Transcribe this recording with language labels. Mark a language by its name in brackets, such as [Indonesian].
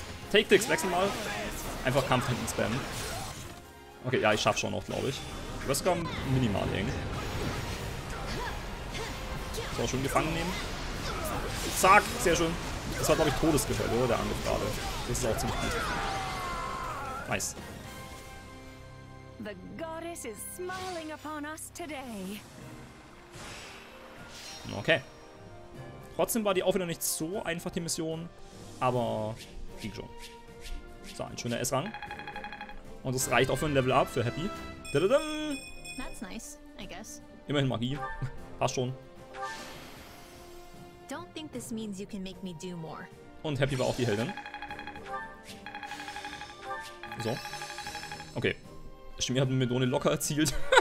[English] Take this, [German] wechsel mal. Einfach Kampf hinten spammen. Okay, ja, ich schaff schon noch, glaube ich. Du wirst sogar minimal hängen. So, schön gefangen nehmen. Zack, sehr schön. Das war, glaube ich, Todesgefälle, oder? Der Angriff gerade. Das ist auch ziemlich gut. [English] Nice. The goddess is smiling upon us today. Okay. [German] Trotzdem war die auch wieder nicht so einfach, die Mission. Aber ging schon. So, ein schöner S-Rang. Und das reicht auch für ein Level Up, für Happy. Da-da-dum. [English] That's nice, I guess. [German] Immerhin Magie. Passt schon. [English] Don't think this means you can make me do more. [German] Und Happy war auch die Heldin. So. Okay. Stimmt, ihr habt eine Medone locker erzielt.